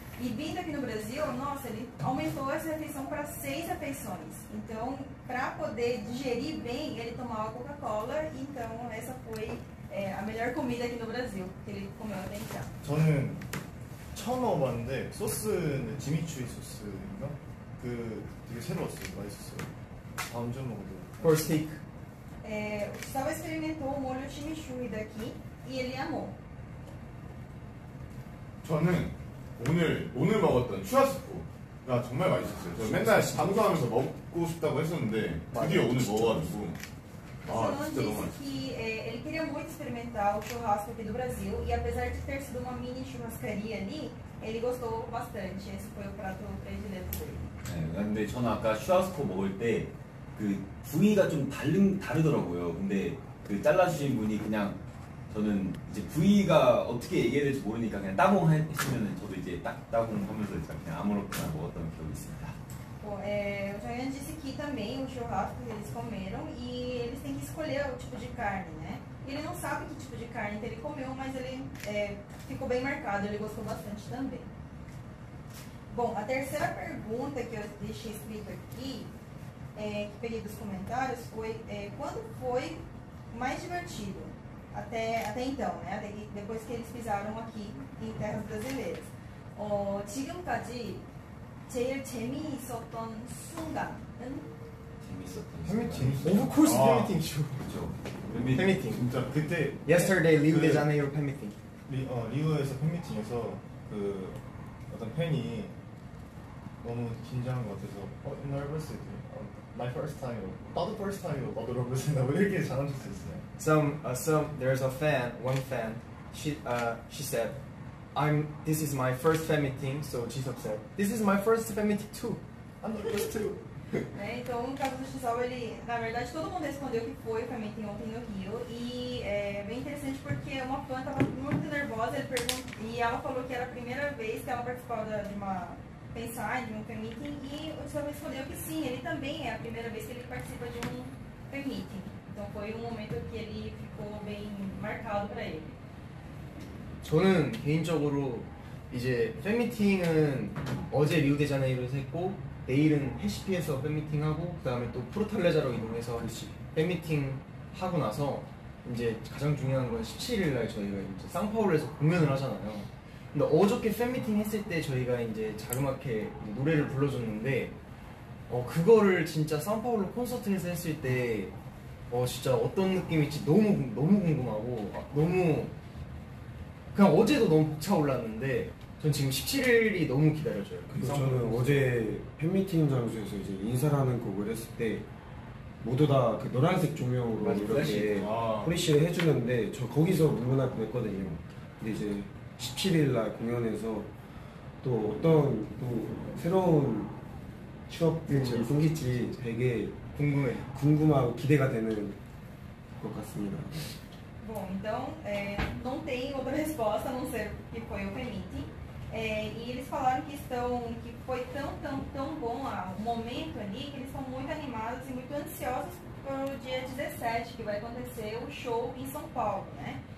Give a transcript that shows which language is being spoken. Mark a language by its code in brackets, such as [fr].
[pt] E vindo aqui no Brasil, nossa, ele aumentou essa refeição para 6 refeições. Então, para poder digerir bem, ele tomava Coca-Cola. Então, essa foi a melhor comida aqui no Brasil que ele comeu até então. [ko] 저는 처음 먹어봤는데 소스는 지미추리 소스인가? 그 되게 새로웠어요, 맛있었어요. 다음 좀 먹어도. [en] For steak. [pt] Estava experimentou o molho chimichurri daqui e ele amou. [ko] 저는 오늘 먹었던 슈아스프가 정말 맛있었어요. 저 맨날 장수하면서 먹고 싶다고 했었는데 드디어 오늘 먹어가지고 진짜 너무 맛있었어요. [pt] Ele queria muito experimentar o churrasco aqui do Brasil e apesar de ter sido uma mini churrascaria ali, ele gostou bastante. Esse foi o prato predileto dele. [ko] 근데 저는 아까 슈아스프 먹을 때 그 부위가 좀 다르더라고요. 근데 그 잘라주신 분이 그냥 저는 이제 부위가 어떻게 얘기해야 될지 모르니까 그냥 따봉 했으면은 저도 이제 딱 따봉 하면서 그냥 아무렇게나 먹었던 기억이 있습니다. [pt] 오, 정현 disse que também o churrasco eles comeram e eles têm que escolher o tipo de carne, né? Ele não sabe que tipo de carne que ele comeu, mas ele ficou bem marcado, ele gostou bastante também. Bom, a terceira pergunta que eu deixei escrito aqui, que peguei dos comentários, foi quando foi mais divertido? Até então, né? Até que, depois que eles pisaram aqui em terras brasileiras. [ko] 지금까지 제일 재미있었던 순간. 재미있었던. [en] Of course, pemiting. [ko] 그렇죠. [en] Pemiting. [ko] 진짜 그때 [en] yesterday Rio de Janeiro pemiting. [ko] 리우에서 pemiting에서 그 어떤 팬이 너무 긴장한 것 같아서 nervous. [en] My first time. [ko] 나도 [en] first time. [ko] 나도 nervous. 나도 이렇게 잘한 적도 있어요. [en] There's a fan, one fan, she said, this is my first fan meeting, so Jisop said, this is my first fan meeting too. I'm the first too. [pt] Então, no caso do Jisop, na verdade, todo mundo respondeu que foi fan meeting ontem no Rio, e é bem interessante porque uma fã estava muito nervosa, ela falou que era a primeira vez que ela participava de um fan meeting, e o Jisop respondeu que sim, ele também é a primeira vez que ele participa de um fan meeting. Então foi um momento que ele ficou bem marcado para ele. [ko] 저는 개인적으로 이제 팬미팅은 어제 리우데자네이루에서 했고 내일은 헤시피에서 팬미팅하고 그다음에 또 프로탈레자로 이동해서 팬미팅 하고 나서 이제 가장 중요한 건 17일 날 저희가 이제 상파울루에서 공연을 하잖아요. 근데 어저께 팬미팅 했을 때 저희가 이제 자그맣게 노래를 불러줬는데 그거를 진짜 상파울루 콘서트에서 했을 때 진짜 어떤 느낌일지 너무 너무 궁금하고 너무 그냥 어제도 너무 벅차올랐는데 전 지금 17일이 너무 기다려져요. 그래서 저는 어제 팬미팅 장소에서 이제 인사라는 곡을 했을 때 모두 다 그 노란색 조명으로 맞아, 이렇게 플래시를 해주는데 저 거기서 문문하고 했거든요. 근데 이제 17일 날 공연에서 또 어떤 또 새로운 추억들이 생길지 되게 궁금하고 기대가 되는 것 같습니다. [pt] Bom, então, não tem outra resposta a não ser que foi o fan meeting. E eles estão, que foi tão, tão, tão bom o momento ali, que eles estão muito animados e muito ansiosos para o dia 17, que vai acontecer o show em São Paulo, né?